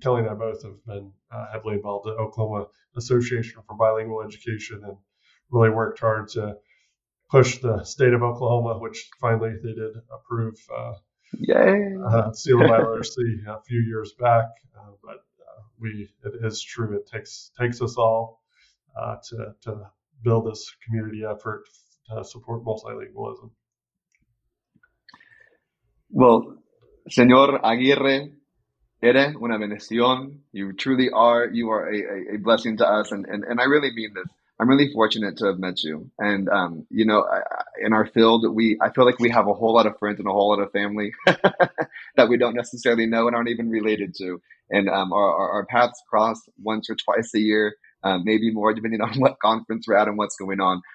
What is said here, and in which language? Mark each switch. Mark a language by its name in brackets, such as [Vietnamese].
[English] Kelly and I both have been heavily involved in Oklahoma Association for Bilingual Education and really worked hard to push the state of Oklahoma, which finally they did approve Sela Biliteracy a few years back. It is true. It takes us all to build this community effort to support multilingualism. Well, [Spanish] Señor Aguirre, eres una bendición. [English] You truly are. You are a blessing to us. And I really mean this. I'm really fortunate to have met you. And, you know, in our field, I feel like we have a whole lot of friends and a whole lot of family that we don't necessarily know and aren't even related to. And our paths cross once or twice a year, maybe more, depending on what conference we're at and what's going on.